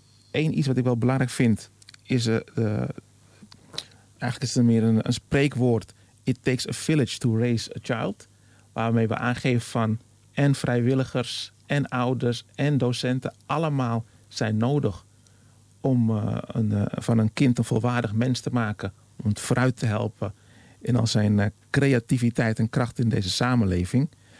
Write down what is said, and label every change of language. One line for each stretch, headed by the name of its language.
Dutch: Eén iets wat ik wel belangrijk vind is eigenlijk is het meer een spreekwoord.
English: It takes a village to raise a child.
Dutch: Waarmee we aangeven van en vrijwilligers en ouders en docenten allemaal zijn nodig om van een kind een volwaardig mens te maken, om het vooruit te helpen in al zijn creativiteit en kracht in deze samenleving.